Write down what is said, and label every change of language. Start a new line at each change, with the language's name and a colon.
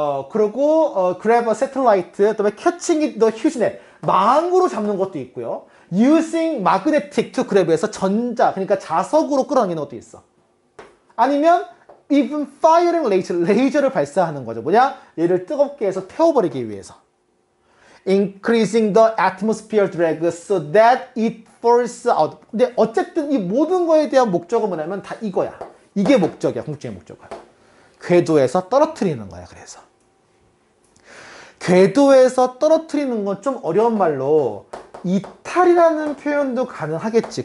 Korean: 그리고
English: grab a satellite,
Korean: 그다음에
English: catching the huge net
Korean: 망으로 잡는 것도 있고요.
English: using magnetic to grab
Korean: 에서 전자, 그러니까 자석으로 끌어당기는 것도 있어. 아니면
English: even firing laser,
Korean: 레이저를 발사하는 거죠. 뭐냐? 얘를 뜨겁게 해서 태워버리기 위해서.
English: increasing the atmosphere drag so that it falls out.
Korean: 근데 어쨌든 이 모든 거에 대한 목적은 뭐냐면 다 이거야. 이게 목적이야. 궁극적인 목적은 궤도에서 떨어뜨리는 거야. 그래서 궤도에서 떨어뜨리는 건 좀 어려운 말로 이탈이라는 표현도 가능하겠지.